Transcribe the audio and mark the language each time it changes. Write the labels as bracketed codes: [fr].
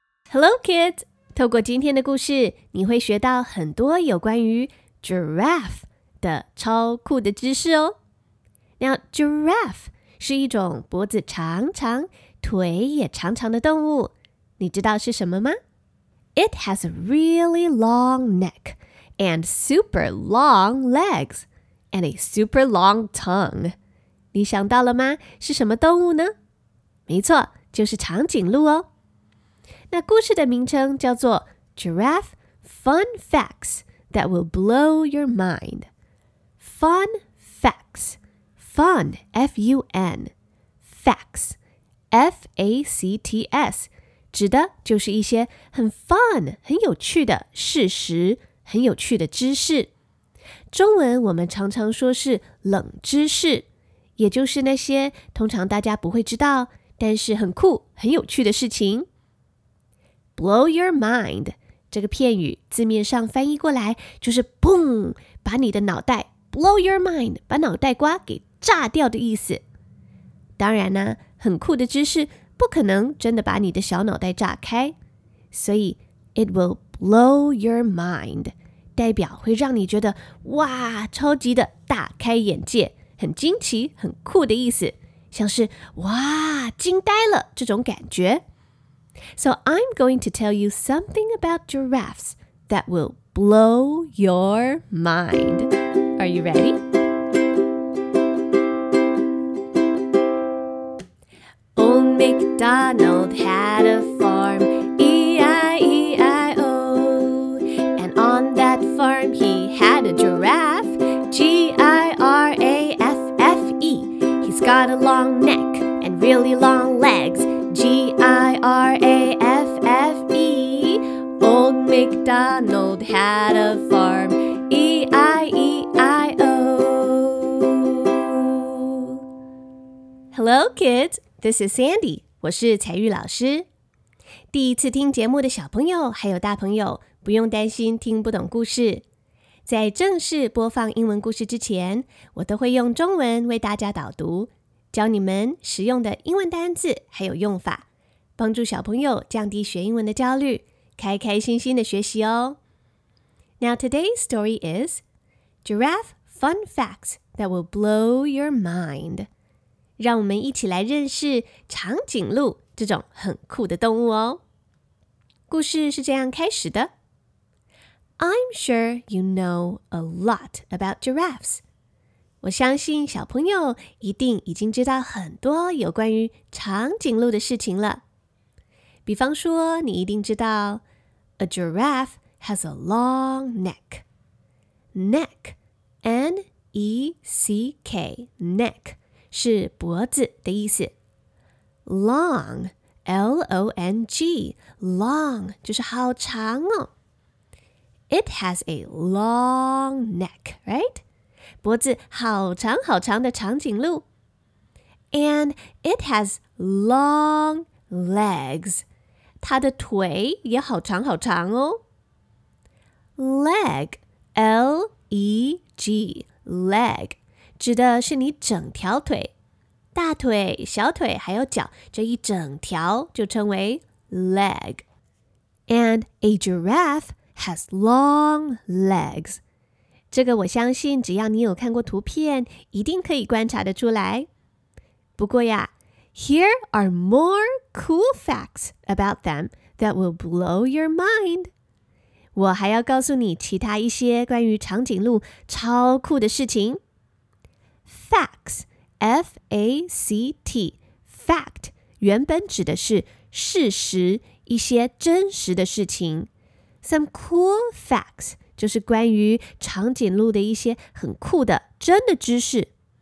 [en] Hello, kids! [zh] 透过今天的故事，你会学到很多有关于 giraffe 的超酷的知识哦。 Now, giraffe 是一种脖子长长、腿也长长的动物。你知道是什么吗？ [en] It has a really long neck and super long legs and a super long tongue. [zh] 你想到了吗？是什么动物呢？没错，就是长颈鹿哦。那故事的名称叫做 Giraffe Fun Facts That Will Blow Your Mind. [en] Fun Facts. Fun, F-U-N, facts, F-A-C-T-S, [zh] 指的就是一些很 fun, 很有趣的事实，很有趣的知识。中文我们常常说是冷知识，也就是那些通常大家不会知道，但是很酷，很有趣的事情。 [en] Blow your mind, [zh] 这个片语字面上翻译过来就是 boom, 把你的脑袋 [en] blow your mind, [zh] 把脑袋瓜给炸掉的意思。当然呢，很酷的知识不可能真的把你的小脑袋炸开，所以 [en] it will blow your mind [zh] 代表会让你觉得哇，超级的大开眼界，很惊奇，很酷的意思，像是哇，惊呆了这种感觉。 [en] So I'm going to tell you something about giraffes that will blow your mind. Are you ready? McDonald had a farm, E-I-E-I-O. And on that farm he had a giraffe, G-I-R-A-F-F-E. He's got a long neck and really long legs, G-I-R-A-F-F-E. Old McDonald had a farm, E-I-E-I-O. Hello, kids. This is Sandy. [zh] 我是彩玉老师。第一次听节目的小朋友还有大朋友，不用担心听不懂故事。在正式播放英文故事之前，我都会用中文为大家导读，教你们实用的英文单字还有用法，帮助小朋友降低学英文的焦虑，开开心心的学习哦。 [en] Now today's story is Giraffe Fun Facts That Will Blow Your Mind. [zh] 让我们一起来认识长颈鹿这种很酷的动物哦。故事是这样开始的。 [en] I'm sure you know a lot about giraffes. [zh] 我相信小朋友一定已经知道很多有关于长颈鹿的事情了。比方说，你一定知道 [en] A giraffe has a long neck. Neck, N-E-C-K, neck. [zh] 是脖子的意思。 [en] Long, L-O-N-G, long, [zh] 就是好长哦。 [en] It has a long neck, right? [zh] 脖子好长好长的长颈鹿。 [en] And it has long legs. [zh] 它的腿也好长好长哦。 [en] Leg, L-E-G, leg, [zh] 指的是你整条腿。大腿、小腿还有脚这一整条就称为 leg. [en] And a giraffe has long legs. [zh] 这个我相信只要你有看过图片一定可以观察得出来。不过呀 [en] here are more cool facts about them that will blow your mind. [zh] 我还要告诉你其他一些关于长颈鹿超酷的事情。 [en] Facts. F-A-C-T, fact, [zh] 原本指的是事实，一些真实的事情。 [en] Some cool facts, [zh] 就是关于长颈鹿的一些很酷的真的知识。